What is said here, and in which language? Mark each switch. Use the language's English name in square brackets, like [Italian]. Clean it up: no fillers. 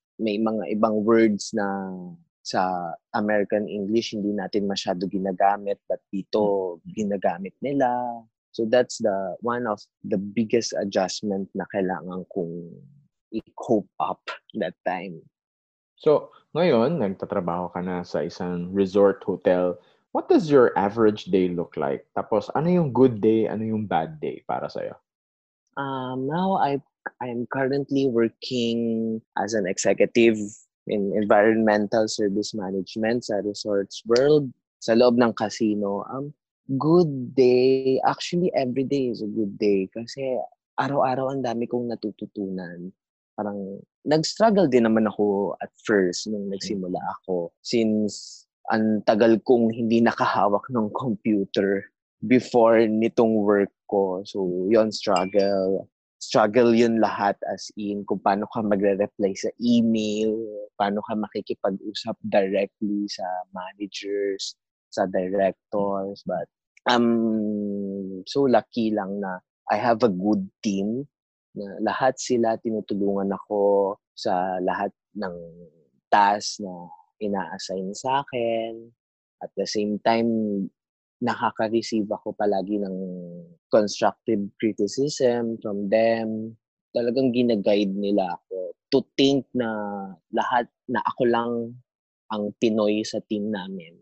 [Filipino] May mga ibang words na sa American English hindi natin masyado ginagamit, but dito ginagamit nila. [English] So that's the one of the biggest adjustment [Filipino] na kailangan kong [English] i-cope up that time. [Filipino] So, ngayon, nagtatrabaho ka na sa isang resort hotel. [English] What does your average day look like? [Filipino] Tapos, ano yung good day, ano yung bad day para sa'yo? [English] Now, I'm currently working as an executive in environmental service management sa resorts world, [Filipino] sa loob ng [English] casino. Good day, actually, every day is a good day [Filipino] kasi araw-araw ang dami kong natututunan. Parang nag-struggle din naman ako [English] at first [Filipino] nung nagsimula ako since ang tagal kong hindi nakahawak ng computer before nitong work ko. So, yon struggle. Struggle yun lahat as in kung paano ka magre-reply sa email, paano ka makikipag-usap directly sa managers, sa directors. [English] But I'm so lucky lang na I have a good team. [Filipino] Na lahat sila tinutulungan ako sa lahat ng tasks na ina-assign sa akin. [English] At the same time, [Filipino] nakaka-receive ako palagi ng [English] constructive criticism from them. [Filipino] Talagang ginaguide nila ako [English] to think [Filipino] na lahat, na ako lang ang Pinoy sa team namin.